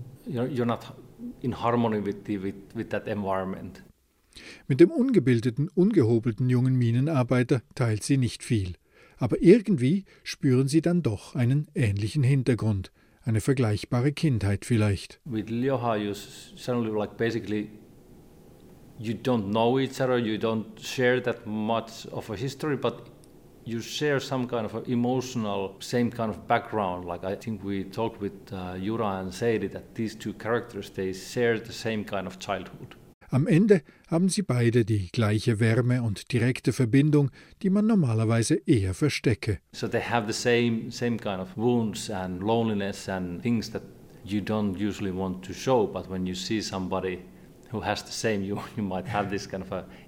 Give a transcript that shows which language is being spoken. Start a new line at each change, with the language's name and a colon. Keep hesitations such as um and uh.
English: You're, you're not in harmony with, the, with, with that environment.
German: Mit dem ungebildeten, ungehobelten jungen Minenarbeiter teilt sie nicht viel. Aber irgendwie spüren sie dann doch einen ähnlichen Hintergrund, eine vergleichbare Kindheit vielleicht.
English: With Lioha, you suddenly like basically you don't know each other, you don't share that much of a history, but you share some kind of emotional, same kind of background. Like I think we talked with uh, Yura and Sadie that these two characters, they share the same kind of childhood.
German: Am Ende haben sie beide die gleiche Wärme und direkte Verbindung, die man normalerweise eher verstecke.
English: So they have the same, same kind of wounds and loneliness and things that you don't usually want to show, but when you see somebody Same, you, you kind of